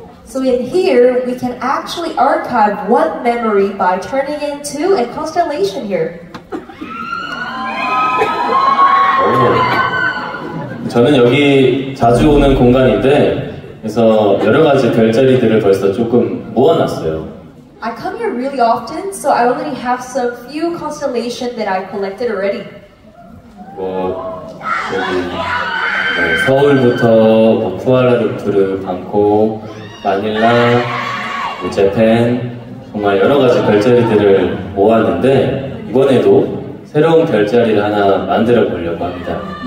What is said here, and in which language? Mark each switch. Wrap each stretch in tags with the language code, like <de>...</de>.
<en>So in here, we can actually archive one memory by turning into a constellation here.</en> <ko>저는 여기 자주 오는 공간인데, 그래서 여러 가지 별자리들을 벌써 조금 모아놨어요.</ko> <en>I come here really often, so I already have some few constellations that I collected already.</en> <ko>뭐, 여기, 뭐, 서울부터 뭐, 쿠알라룸푸르, 방콕, 마닐라, 뭐, 재팬, 정말 여러 가지 별자리들을 모았는데, 이번에도 새로운 별자리를 하나 만들어 보려고 합니다.</ko>